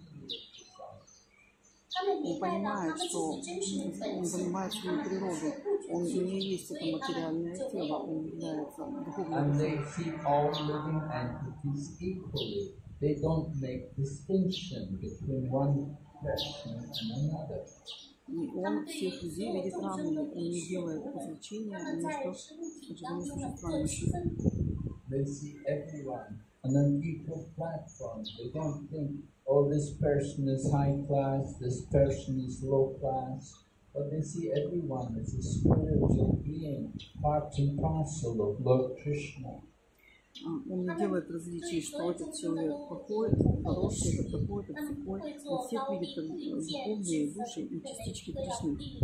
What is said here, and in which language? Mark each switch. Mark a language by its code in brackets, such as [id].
[en] desire. And they see all living entities equally. They don't make distinction between one person and another. [ru] И он всех людей видит равными, и не делает различения между живыми существами. [en] They see everyone on an equal platform. They don't think, oh, this person is high class, this person is low class. But they see everyone as a spiritual being, part and parcel of Lord Krishna. [ru] Он не делает различий, что этот человек плохой, хороший, этот такой, этот такой. Он всех видит как духовные души и частички Кришны.